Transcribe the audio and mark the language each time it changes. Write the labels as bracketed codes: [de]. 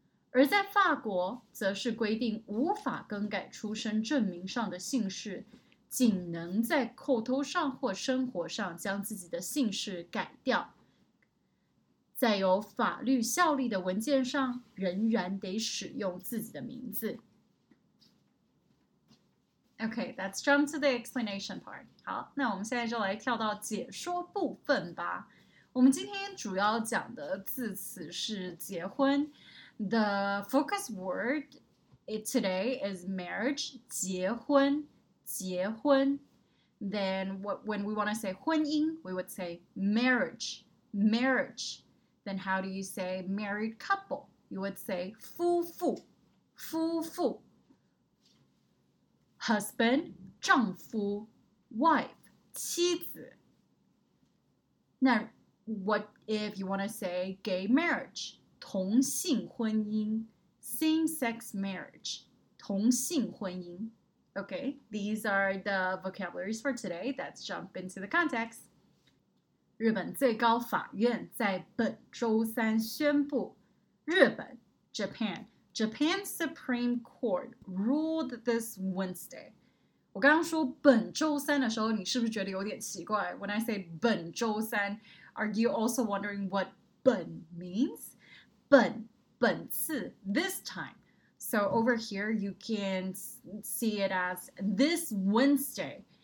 [zh] 而在法国，则是规定无法更改出生证明上的姓氏，仅能在口头上或生活上将自己的姓氏改掉，在有法律效力的文件上仍然得使用自己的名字。 [en] Okay, let's jump to the explanation part. [zh] 好，那我们现在就来跳到解说部分吧。我们今天主要讲的字词是结婚。 [en] The focus word today is marriage, 结婚,结婚. Then when we want to say 婚姻, we would say marriage, marriage. Then how do you say married couple? You would say 夫妇,夫妇. Husband, 丈夫, wife, 妻子. Now, what if you want to say gay marriage? [zh] 同性婚姻, same-sex marriage, 同性婚姻. [en] Okay, these are the vocabularies for today. Let's jump into the context. [zh] 日本最高法院在本周三宣布。日本, Japan. [en] Japan Supreme Court ruled this Wednesday. [zh] 我刚刚说本周三的时候,你是不是觉得有点奇怪? [en] When I say 本周三, are you also wondering what 本 means? 本次, this time. So over here, you can see it as this Wednesday.